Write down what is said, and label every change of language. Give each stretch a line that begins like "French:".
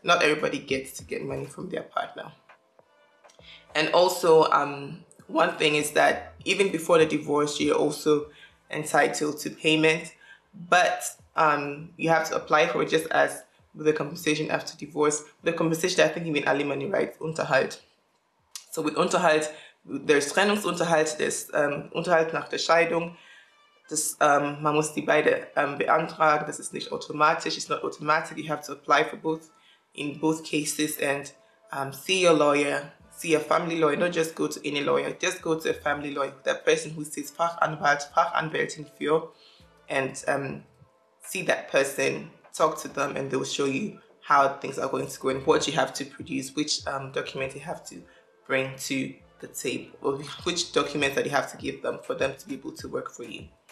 English: Not everybody gets to get money from their partner. And also, one thing is that even before the divorce, you're also entitled to payment, but you have to apply for it just as with the compensation after divorce. The compensation, I think you mean alimony, right?
German: Unterhalt.
English: So with Unterhalt, there's Trennungsunterhalt, there's Unterhalt nach der Scheidung.
German: Man muss die beide beantragen. Das ist nicht automatisch.
English: It's not automatic. You have to apply for both in both cases and see your lawyer. See a family lawyer, not just go to any lawyer, just go to a family lawyer, that person who says Fachanwalt, Fachanwältin für, and see that person, talk to them, and they'll show you how things are going to go and what you have to produce, which document you have to bring to the table, or which documents that you have to give them for them to be able to work for you.